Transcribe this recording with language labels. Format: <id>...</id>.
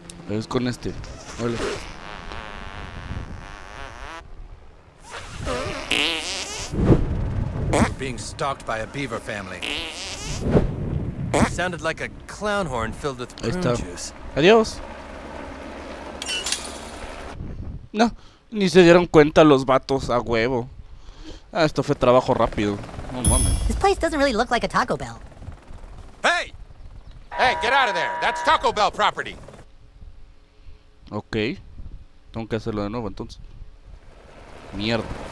<es>Es con este. Hola.</es> <en>Being stalked by a beaver family. Sounded like a clown horn filled with prune juice.</en> <es>Adiós. No, ni se dieron cuenta los vatos a huevo. Ah, esto fue trabajo rápido. No mames.</es> <en>This place doesn't really look like a Taco Bell. Hey! Hey, get out of there! That's Taco Bell property.</en> <es>Ok. Tengo que hacerlo de nuevo entonces. Mierda.</es>